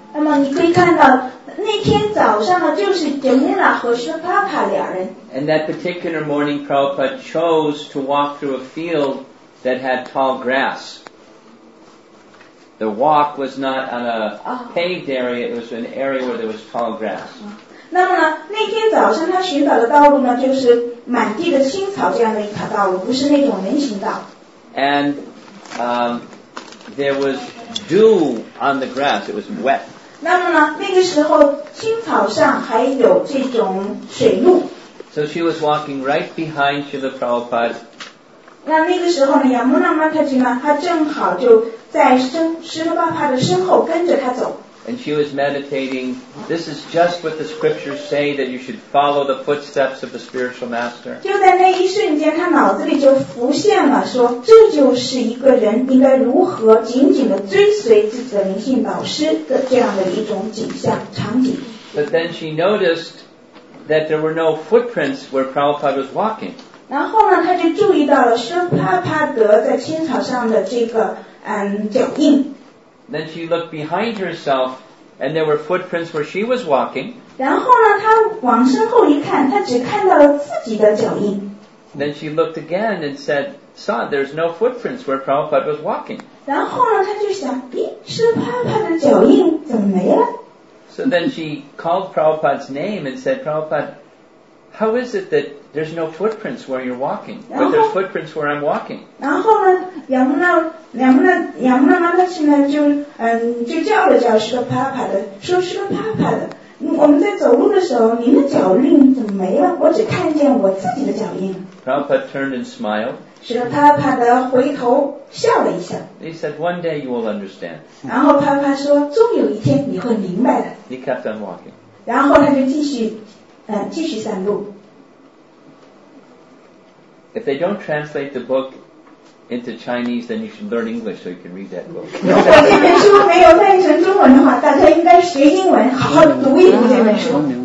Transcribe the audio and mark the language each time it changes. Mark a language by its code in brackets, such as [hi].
[zh] 那么你可以看到，那天早上呢，就是 Jamuna 和Srila Prabhupada两人。 [en] And that particular morning, Prabhupada chose to walk through a field. That had tall grass. The walk was not on a paved area; it was an area where there was tall grass. [zh] 那么呢，那天早上他寻找的道路呢，就是满地的青草这样的一条道路，不是那种人行道。 [en] And there was dew on the grass; it was wet. [zh] 那么呢，那个时候青草上还有这种水露。 [en] So she was walking right behind Srila Prabhupada. [zh] 那个时候呢，亚摩那玛塔吉呢，他正好就在师父爸爸的身后跟着他走。 [en] and she was meditating. This is just what the scriptures say, that you should follow the footsteps of the spiritual master. [zh] 就在那一瞬间，她脑子里就浮现了，说这就是一个人应该如何紧紧地追随自己的灵性导师的这样的一种景象场景。 [en] But then she noticed that there were no footprints where Prabhupada was walking. [zh] 然后呢，她就注意到了舍帕帕德在青草上的这个脚印。 [en] Then she looked behind herself, and there were footprints where she was walking. [zh] 然后呢，她往身后一看，她只看到了自己的脚印。 [en] Then she looked again and said, "Saw there's no footprints where Prabhupada was walking." [zh] 然后呢，她就想，咦，舍帕帕的脚印怎么没了？ [en] So then she called Prabhupada's name and said, "Prabhupada, how is it that there's no footprints where you're walking, but there's footprints where I'm walking?" [zh] 然后呢，杨木娜她现在就就叫了叫舍帕帕的，说舍帕帕的，我们在走路的时候，您的脚印怎么没了？我只看见我自己的脚印。 [en] Prabhupada turned and smiled. [zh] 舍帕帕的回头笑了一下。 [en] He said, "One day you will understand." [zh] 然后帕帕说，终有一天你会明白的。 [en] He kept on walking. [zh] 然后他就继续散步。 [en] If they don't translate the book into Chinese, then you should learn English so you can read that book. [zh] 如果这本书没有翻译成中文的话，大家应该学英文，好好读一读这本书。